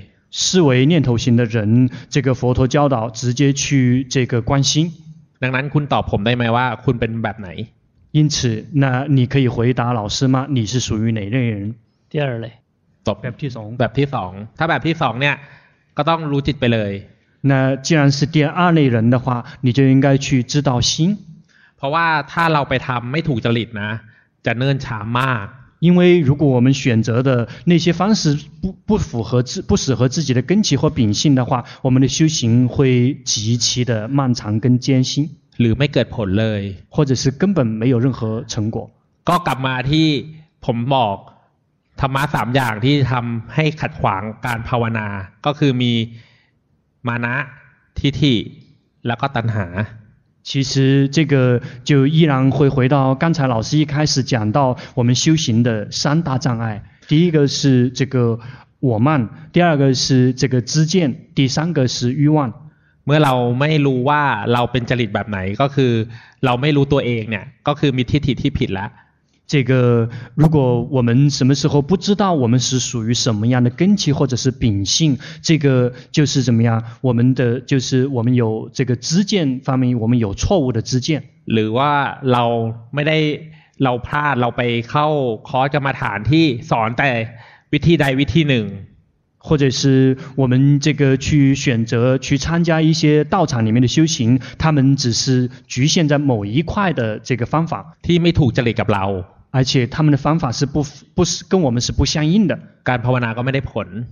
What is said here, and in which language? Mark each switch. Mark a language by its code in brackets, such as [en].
[zh] 思维念头型的人，这个佛陀教导直接去这个观心。 [th] ดังนั้นคุณตอบผมได้ไหมว่าคุณเป็นแบบไหน？ [zh] 因此，那你可以回答老师吗？你是属于哪类人？第二类。 [th] แบบที่สองถ้าแบบที่สองเนี่ยก็ต้องรู้จิตไปเลย [zh] 那既然是第二类人的话你就应该去知道心 [th] เพราะว่าถ้าเราไปทำไม่ถูกจริตนะจะเนิ่นช้ามาก [zh] 因为如果我们选择的那些方式不符合自己的根基或秉性的话我们的修行会极其的漫长跟艰辛 [th] หรือไม่เกิดผลเลย [zh] 或者是根本没有任何成果 [th] ก็กลับมาที่ผมบอกธรรมะสามอย่างที่ทำให้ขัดขวางการภาวนาก็คือมีมานะทิฏฐิแล้วก็ตัณหา [zh] 其实这个就依然会回到刚才老师一开始讲到我们修行的三大障碍第一个是这个我慢第二个是这个知见第三个是欲望 [th] เมื่อเราไม่รู้ว่าเราเป็นจริตแบบไหนก็คือเราไม่รู้ตัวเองเนี่ยก็คือมีทิฏฐิที่ผิดแล้ว [zh] 这个如果我们什么时候不知道我们是属于什么样的根器或者是秉性这个就是怎么样我们的就是我们有这个知见方面我们有错误的知见 [th] หรือว่าเราไม่ได้เราพลาดเราไปเข้าคอร์สกรรมฐานที่สอนแต่วิธีใดวิธีหนึ่ง [zh] 或者是我们这个去选择去参加一些道场里面的修行他们只是局限在某一块的这个方法 [th] ที่ไม่ถูกจริตกับเรา [zh] 而且他们的方法是不是跟我们是不相应的 [th] การภาวนาก็ไม่ได้ผล